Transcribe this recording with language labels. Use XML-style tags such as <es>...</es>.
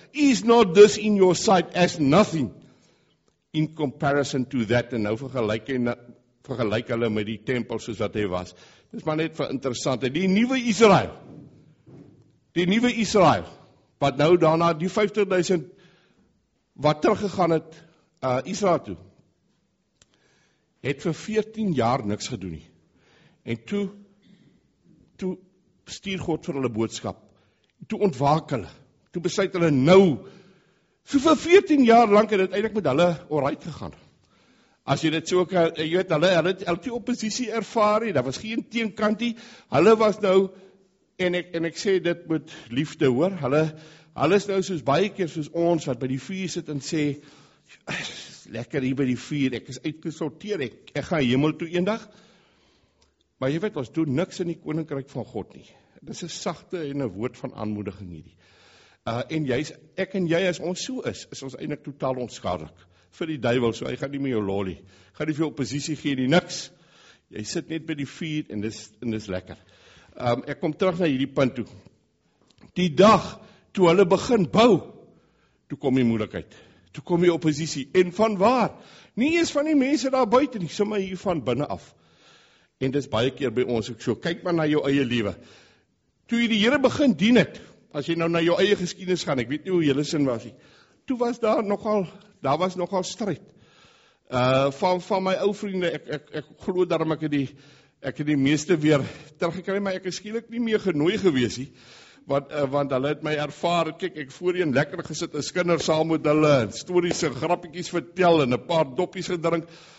<en>Is not this in your sight as nothing in comparison to that?</en> <af>En nou vergelyk hulle met die tempel soos wat hy was. Dis maar net vir interessant. Die nuwe Israel, wat nou daarna die 50,000 wat teruggegaan het Israel toe, het vir 14 jaar niks gedoen nie. En toe stuur God vir hulle boodskap, toe ontwaak hulle, toe besluit hulle nou, so vir 14 jaar lang het het eindelijk met hulle alright gegaan, as jy dit so kan, jy weet, hulle het elke oppositie ervaar, dat was geen teenkantie, hulle was nou, en ek sê dit met liefde hoor, hulle is nou soos baie keer soos ons, wat by die vuur sit en sê, lekker hier by die vuur, ek is uitgesorteer, ek ga hemel toe eendag, maar jy weet, ons doen niks in die koninkryk van God nie. Dit is een sagte en een woord van aanmoediging hierdie. En jy is, ek en jy, as ons so is, is ons eindelijk totaal onskadelik. Vir die duivel, so hy gaan nie met jou lolie. Ga nie vir jou oppositie gee nie, niks. Jy sit net by die vuur en dis lekker. Ek kom terug na hierdie punt toe. Die dag toe hulle begin bou, toe kom die moeilikheid. Toe kom die oppositie. En van waar? Nie eens van die mense daar buiten nie, sommer hier van binnen af. En dis baie keer by ons ook so, kyk maar na jou eie lewe. Toe jy die Here begin dien het, as jy nou na jou eie geskiedenis gaan, ek weet nie hoe jylle sin was nie, toe was daar nogal stryd. Van my ou vriende, ek glo daarom ek het die meeste weer teruggekry, maar ek is skielik nie meer genooi gewees nie, want hulle het my ervaar, kyk, ek voorheen lekker gesit, as kinder saam met hulle, en stories en grappiekies vertel, en 'n paar doppies gedrink,</af>